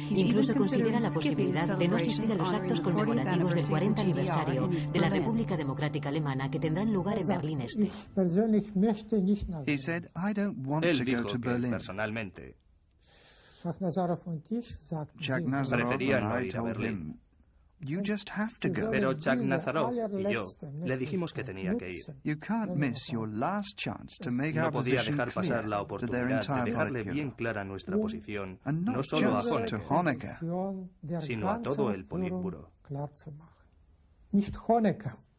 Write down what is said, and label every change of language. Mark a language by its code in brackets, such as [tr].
[es] Incluso considera la posibilidad de no asistir a los actos conmemorativos del 40 aniversario de la República Democrática Alemana que tendrán lugar en Berlín Este. [en] Go to Berlin. [es] Personalmente, [de] Shahnazarov und ich sagten, [en] Shahnazarov and I told him, You just have to go. [es] Pero Chuck Nazarov y yo le dijimos que tenía que ir. [en] You can't miss your last chance to make our position clear. [es] No podía dejar pasar la oportunidad de dejarle bien clara nuestra posición, no solo a Honecker, sino a todo el Politburo. [de] Nicht Honecker.